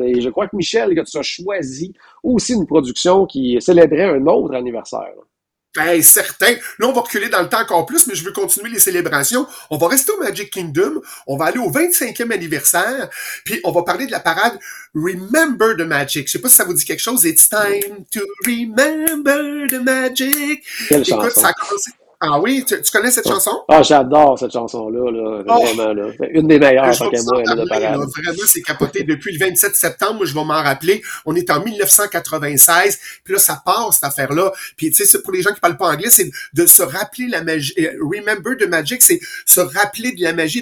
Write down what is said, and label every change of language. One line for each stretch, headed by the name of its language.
French: Et je crois que Michel, que tu as choisi aussi une production qui célébrait un autre anniversaire. Ben, certain. Là, on va reculer dans le temps encore plus, mais je veux continuer les célébrations. On va rester au Magic Kingdom, on va aller au 25e anniversaire, puis on va parler de la parade Remember the Magic. Je sais pas si ça vous dit quelque chose.
English: It's time to remember the magic.
French: Quelle chanson. Écoute, ça a commencé... Ah oui, tu connais cette chanson? Ah, j'adore cette chanson-là, là, vraiment. Là. C'est une des meilleures, tant qu'à moi, de parade. Là, vraiment, c'est capoté. Depuis le 27 septembre, je vais m'en rappeler, on est en 1996, puis là, ça part, cette affaire-là. Puis, tu sais, pour les gens qui parlent pas anglais, c'est de se rappeler la magie. Remember the magic, c'est se rappeler de la magie.